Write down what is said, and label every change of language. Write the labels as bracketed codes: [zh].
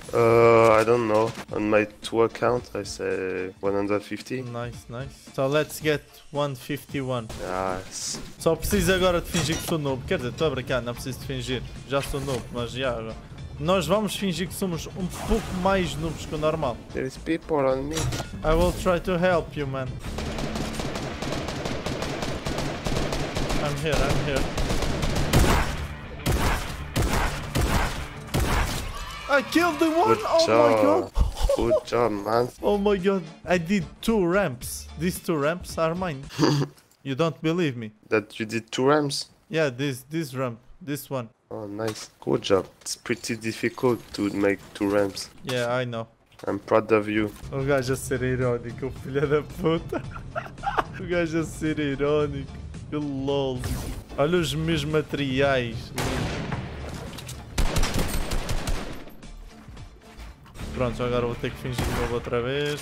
[en] I don't know. On my 2 account, I say 150. Nice. So let's get 151. Yes. [pt] Só preciso agora de fingir que sou noob. Quer dizer, estou a brincar, não preciso de fingir. Já sou noob, mas já agora. Nós vamos fingir que somos um pouco mais noobs que o normal. [en] There is people on me. I will try to help you, man. I'm here. I killed the one! Good oh job. My god! Good job, man. Oh my god. I did 2 ramps. These 2 ramps are mine. You don't believe me? That you did 2 ramps? Yeah, this ramp. This one. Oh, nice. Good job. It's pretty difficult to make 2 ramps. Yeah, I know. I'm proud of you. [pt] O gajo a ser irónico, filha da puta. O gajo a ser irónico. Que lol. Olha os meus materiais. Pronto, agora vou ter que fingir de novo outra vez.